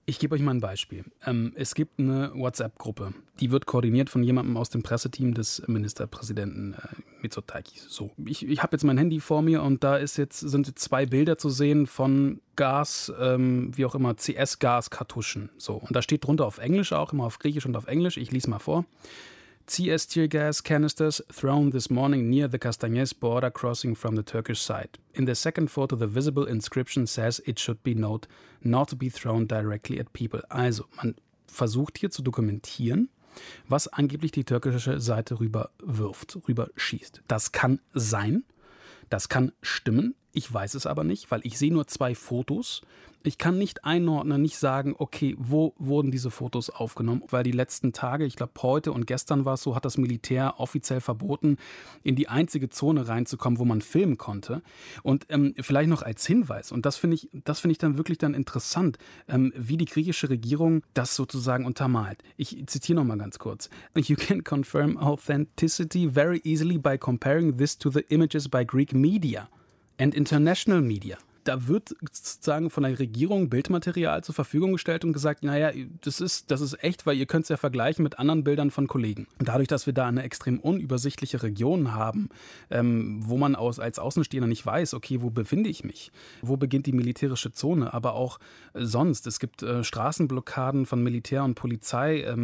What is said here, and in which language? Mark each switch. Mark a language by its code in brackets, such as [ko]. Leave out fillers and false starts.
[de] Ich gebe euch mal ein Beispiel. Es gibt eine WhatsApp-Gruppe, die wird koordiniert von jemandem aus dem Presseteam des Ministerpräsidenten Mitsotakis. So, ich habe jetzt mein Handy vor mir und da sind jetzt zwei Bilder zu sehen von Gas, wie auch immer, CS-Gas-Kartuschen. So, und da steht drunter auf Englisch auch, immer auf Griechisch und auf Englisch. Ich lese mal vor. [en] CS tear gas canisters thrown this morning near the Castanets border crossing from the Turkish side. In the second photo, the visible inscription says it should be noted not to be thrown directly at people. [de] Also, man versucht hier zu dokumentieren, was angeblich die türkische Seite rüberschießt. Das kann sein, das kann stimmen, ich weiß es aber nicht, weil ich sehe nur zwei Fotos. Ich kann nicht einordnen, nicht sagen, okay, wo wurden diese Fotos aufgenommen? Weil die letzten Tage, ich glaube heute und gestern war es so, hat das Militär offiziell verboten, in die einzige Zone reinzukommen, wo man filmen konnte. Und vielleicht noch als Hinweis, und das finde ich dann wirklich dann interessant, wie die griechische Regierung das sozusagen untermalt. Ich zitiere nochmal ganz kurz. [en] You can confirm authenticity very easily by comparing this to the images by Greek media and international media. [de] Da wird sozusagen von der Regierung Bildmaterial zur Verfügung gestellt und gesagt, naja, das ist echt, weil ihr könnt es ja vergleichen mit anderen Bildern von Kollegen. Und dadurch, dass wir da eine extrem unübersichtliche Region haben, wo man als Außenstehender nicht weiß, okay, wo befinde ich mich? Wo beginnt die militärische Zone? Aber auch sonst, es gibt Straßenblockaden von Militär und Polizei.